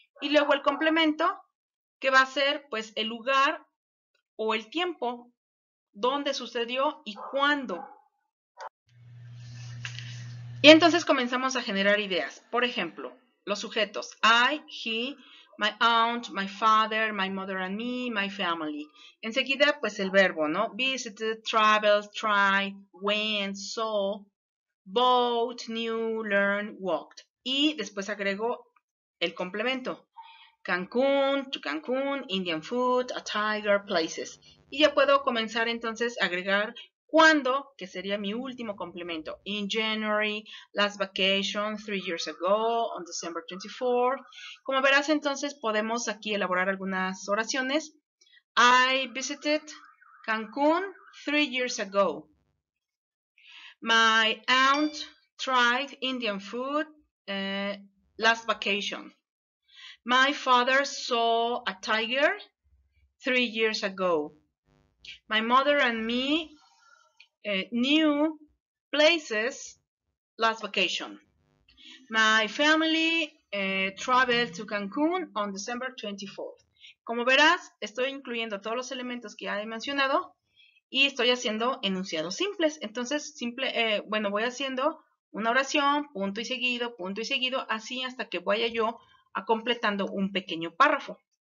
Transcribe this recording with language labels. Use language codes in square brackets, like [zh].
[es] Y luego el complemento, que va a ser pues el lugar o el tiempo donde sucedió y cuándo. Y entonces comenzamos a generar ideas. Por ejemplo, los sujetos [en] I, he, my aunt, my father, my mother and me, my family. [es] Enseguida pues el verbo, ¿no? [en] Visited, traveled, tried, went, saw, bought, knew, learned, walked. [es] Y después agrego el complemento. Cancún, [en] to Cancún, Indian food, a tiger, places. [es] Y ya puedo comenzar entonces a agregar cuándo, que sería mi último complemento. [en] In January, last vacation, 3 years ago, on December 24. [es] Como verás, entonces podemos aquí elaborar algunas oraciones. [en] I visited Cancún 3 years ago. My aunt tried Indian food, last vacation. My father saw a tiger 3 years ago. My mother and me knew places last vacation. My family traveled to Cancún on December 24th. [es] Como verás, estoy incluyendo todos los elementos que ya he mencionado y estoy haciendo enunciados simples. Entonces, simple, bueno, voy haciendo una oración, punto y seguido, así hasta que vaya yo a completando un pequeño párrafo.